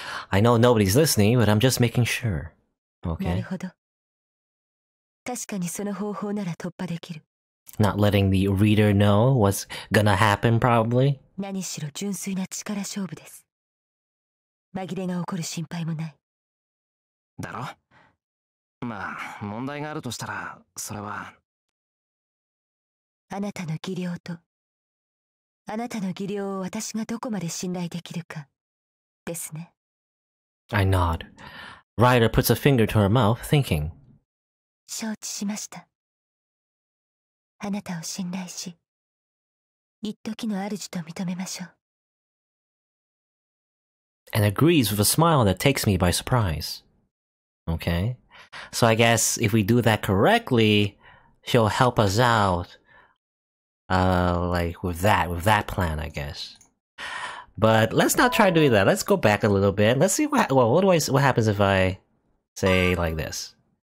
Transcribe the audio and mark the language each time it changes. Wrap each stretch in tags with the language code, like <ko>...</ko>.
<en>I know nobody's listening, but I'm just making sure. Okay.</en> <ja>なるほど。確かにその方法なら突破できる。</ja> <en>Not letting the reader know what's gonna happen, probably.</en> <ja>何しろ純粋な力勝負です。紛れが起こる心配もない。だろ？まあ、問題があるとしたら、それは。あなたの技量と、あなたの技量を私がどこまで信頼できるか、ですね。</ja> <en>I nod. Ryder puts a finger to her mouth, thinking.</en> <ja>承知しました。あなたを信頼し、一時の主と認めましょう。</ja> <en>And agrees with a smile that takes me by surprise. Okay? So I guess if we do that correctly, she'll help us out, like with that plan, I guess. But let's not try doing that. Let's go back a little bit. Let's see what happens if I say like this.</en>